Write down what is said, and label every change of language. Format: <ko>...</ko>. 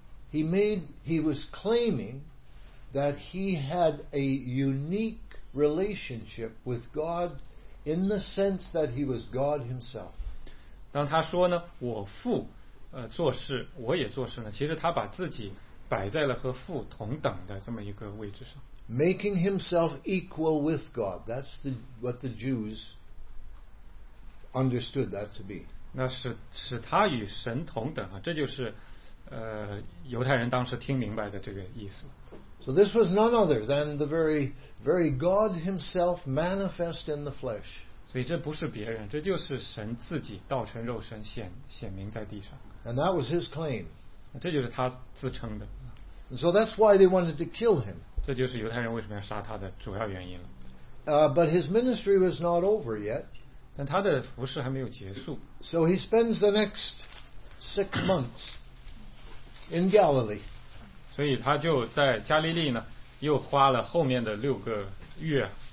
<en>He was claiming that he had a unique relationship with God in the sense that he was God himself.</en> <zh>当他说呢，我父做事，我也做事呢，其实他把自己摆在了和父同等的这么一个位置上。</zh> <en>Making himself equal with God. That's what the Jews understood that to be.</en> <zh>那使他与神同等啊，这就是犹太人当时听明白的这个意思。</zh> <en>So this was none other than the very, very God Himself manifest in the flesh.</en> <zh>所以这不是别人，这就是神自己道成肉身显明在地上。</zh> <en>And that was His claim.</en> <zh>这就是他自称的。</zh> <en>And so that's why they wanted to kill Him.</en> <zh>这就是犹太人为什么要杀他的主要原因了。</zh> <en>But His ministry was not over yet.</en> <zh>但他的服事还没有结束。</zh> <en>So he spends the next 6 months in Galilee.</en> <zh>所以他就在加利利呢，又花了后面的六个月。</zh>